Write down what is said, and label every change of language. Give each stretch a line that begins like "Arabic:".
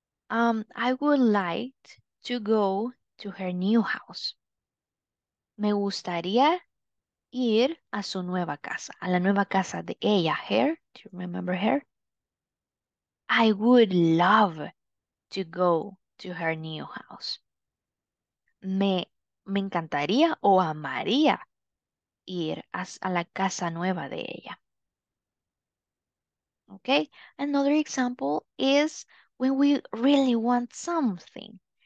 English: I would like to go to her new house.
Spanish: Me gustaría ir a su nueva casa, a la nueva casa de ella.
English: Her, do you remember her? I would love to go to her new house.
Spanish: Me encantaría o amaría ir a la casa nueva de ella.
English: Okay, another example is when we really want something.